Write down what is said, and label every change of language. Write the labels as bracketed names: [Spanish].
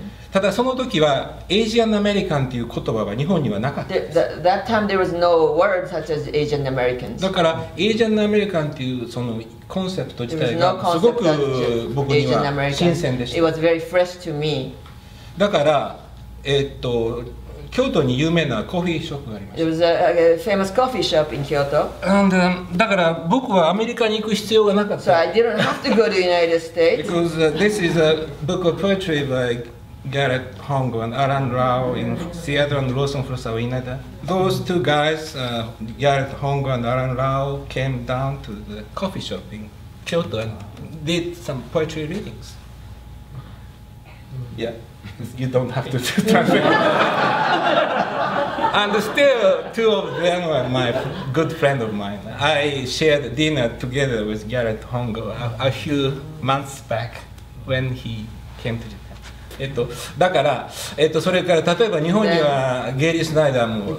[Japanese] ただその時はアジアンアメリカンという言葉は日本にはなかっただからアジアンアメリカンというそのコンセプト自体がすごく僕には新鮮でした [English] It was very fresh to me. [Japanese] だから京都に有名なコーヒーショップがありました [English] It was a famous coffee shop in Kyoto. [Japanese] And, だから僕はアメリカに行く必要がなかった [English] So I didn't have to go to the United States. Because this is a book of poetry byGarrett Hong and Alan Rao in Seattle and Lawson for Sawinada. Those two guys, Garrett Hong and Alan Rao, came down to the coffee shop in Kyoto and did some poetry readings. Yeah, you don't have to translate. And still, two of them were my good friend of mine. I shared dinner together with Garrett Hong a few months back when he came to Japan. [Japanese] だから、それから例えば日本にはゲリー・スナイダーも